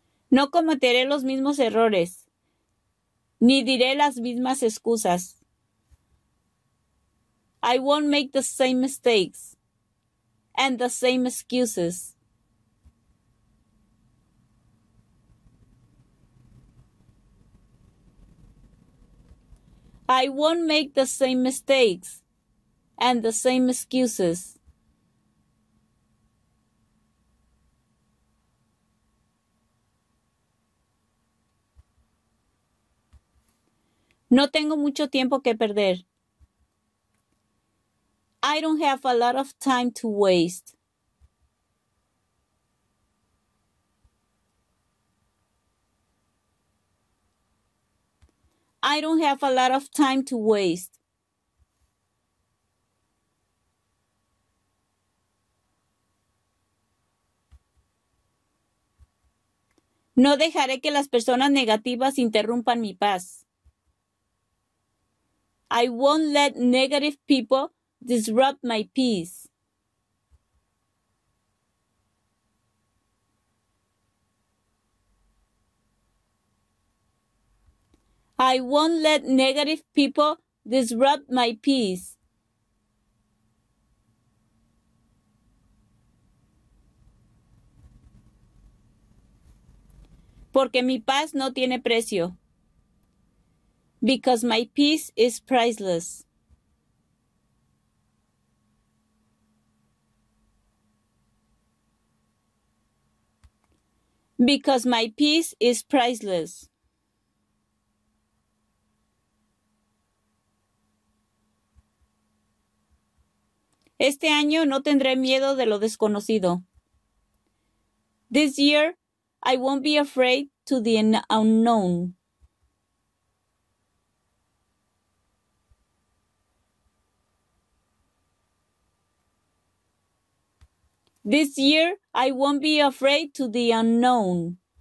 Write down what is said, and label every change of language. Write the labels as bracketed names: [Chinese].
[Spanish] No cometeré los mismos errores, ni diré las mismas excusas. [English] I won't make the same mistakes and the same excuses. I won't make the same mistakes and the same excuses. [Spanish] No tengo mucho tiempo que perder. [English] I don't have a lot of time to waste. I don't have a lot of time to waste. [Spanish] No dejaré que las personas negativas interrumpan mi paz. [English] I won't let negative people disrupt my peace. I won't let negative people disrupt my peace. [Spanish] Porque mi paz no tiene precio. [English] Because my peace is priceless. Because my peace is priceless. [Spanish] Este año no tendré miedo de lo desconocido. [English] This year, I won't be afraid to the unknown. This year, I won't be afraid to the unknown.